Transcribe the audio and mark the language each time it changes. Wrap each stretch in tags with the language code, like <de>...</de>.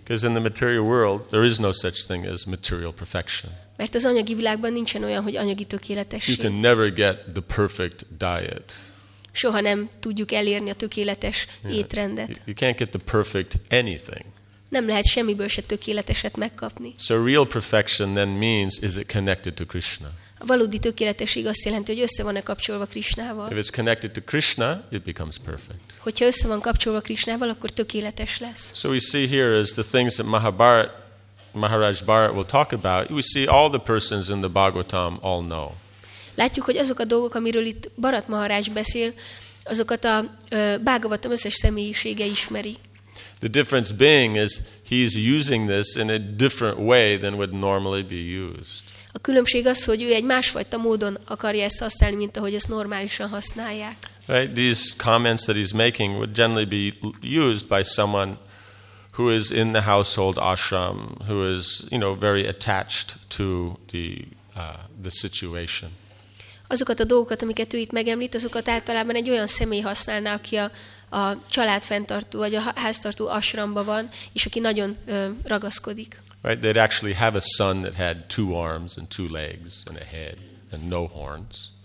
<en>Because in the material world, there is no such thing as material perfection.</en> <hu>Mert az anyagi világban nincsen olyan, hogy anyagi tökéletesség.</hu> <en>You can never get the perfect diet.</en> <hu>Soha nem tudjuk elérni a tökéletes étrendet.</hu> <en>You can't get the perfect anything.</en> <hu>Nem lehet semmiből se tökéleteset megkapni.</hu> <en>So real perfection then means, is it connected to Krishna?</en> <hu>A valódi tökéletesség azt jelenti, hogy össze van-e kapcsolva Krishnával.</hu> <en>If it's connected to Krishna, it becomes perfect.</en> <hu>Hogyha össze van kapcsolva Krishnával, akkor tökéletes lesz.</hu> <en>So we see here is the things that Maharaj Bharat will talk about. We see all the persons in the Bhagavatam all know.</en> <hu>Látjuk, hogy azok a dolgok, amiről itt Bharat Maharaj beszél, azokat a Bhagavatam összes személyisége ismeri.</hu> <en>The difference being is he's using this in a different way than would normally be used.</en> <hu>A különbség az, hogy ő egy másfajta módon akarja ezt használni, mint ahogy ezt normálisan használják.</hu> <en>Right, these comments that he's making would generally be used by someone who is in the household ashram, who is, you know, very attached to the situation.</en> <hu>Azokat a dolgokat, amiket ő itt megemlít, azokat általában egy olyan személy használná, aki a család fenntartó vagy a háztartó ashramba van, és aki nagyon ragaszkodik.</hu> <en>Right, they'd actually have a son that had two arms and two legs and a head and no horns.</en>